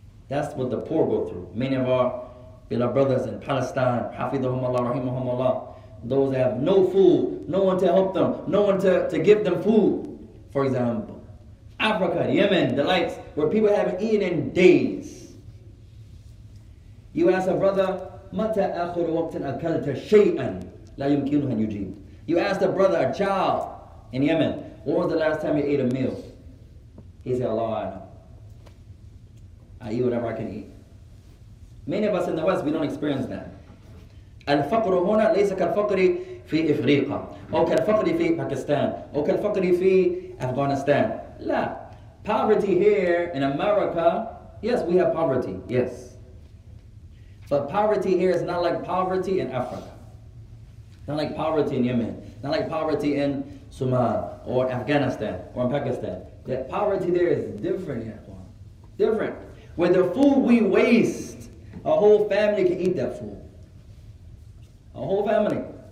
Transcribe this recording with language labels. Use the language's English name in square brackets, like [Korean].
[English] That's what the poor go through. Many of our beloved brothers in Palestine, hafidhum Allah, rahimahum Allah, those that have no food, no one to help them, no one to give them food, for example. Africa, Yemen, the likes, where people haven't eaten in days. You ask a brother, [Arabic] مَتَ أَخُرُ وَقْتٍ أَكَلْتَ شَيْئًا لَا يُمْكِنُهَا يُجِيبُ. [English] You ask a brother, a child in Yemen, when was the last time you ate a meal? He said, Allah, I know. I eat whatever I can eat. Many of us in the West, we don't experience that. [Arabic] الفقر هنا ليس كالفقر في إفريقيا أو كالفقر في باكستان أو كالفقر في أفغانستان. لا. [English] Poverty here in America, yes, we have poverty, yes. But poverty here is not like poverty in Africa. Not like poverty in Yemen. Not like poverty in Somalia or Afghanistan or in Pakistan. That poverty there is different, yeah. Different. With the food we waste, a whole family can eat that food. A whole family.